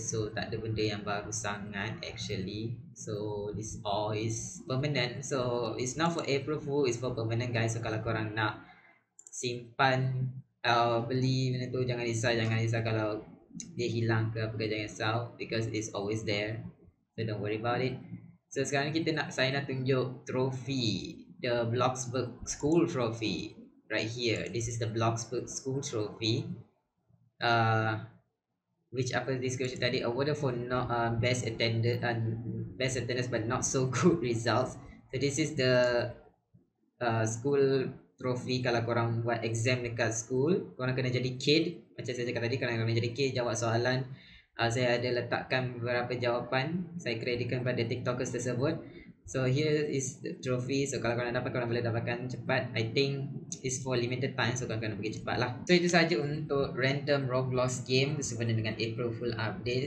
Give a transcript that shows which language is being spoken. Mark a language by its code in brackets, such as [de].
[ms] So tak ada benda yang baru sangat actually. [en] So this all is permanent. So it's not for April Fool, it's for permanent guys. So [ms] kalau korang nak simpan, beli benda tu, jangan risau. Jangan risau kalau dia hilang ke apa ke, jangan risau, [en] because it's always there. So don't worry about it. [ms] So sekarang kita nak, saya nak tunjuk trophy, [en] the Bloxburg school trophy right here. This is the Bloxburg school trophy. Which apa description tadi, awarded for not best attendance but not so good results. So this is the school trophy. [ms] Kalau korang buat exam dekat school, korang kena jadi kid. Macam saya cakap tadi, korang kena jadi kid, jawab soalan. Saya ada letakkan beberapa jawapan, saya kreditkan pada TikTokers tersebut. [en] So here is the trophy. [ms] So kalau korang dapat, korang boleh dapatkan cepat. [en] I think it's for limited time, so [ms] korang kena pergi cepat lah. So itu saja untuk random Roblox game sebenarnya dengan April Fool update.